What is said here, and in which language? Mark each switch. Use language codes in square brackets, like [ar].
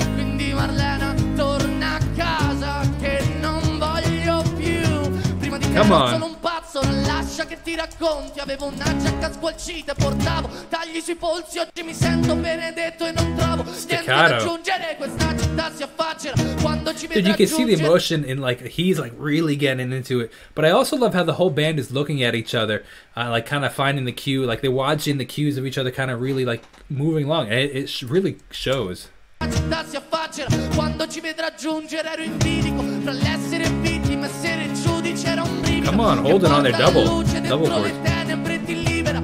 [it] Quindi Marlena torna a casa, che non voglio più. Prima di [en] come on. [it] Lascia che ti racconti, avevo una giacca squalcita, portavo tagli sui polsi, oggi mi sento benedetto e non trovo niente da aggiungere, questa città si affaccia quando ci vedo. [en] Dude, you can see the emotion in, like, he's like really getting into it, but I also love how the whole band is looking at each other, like kind of finding the cue, like they're watching the cues of each other, kind of really like moving along, and it really shows. [it] La città si affaccia quando ci vedo raggiungere, ero in bilico tra l'essere vittima e essere giudice, era un. [en] Come on, holding on there, double, double chords.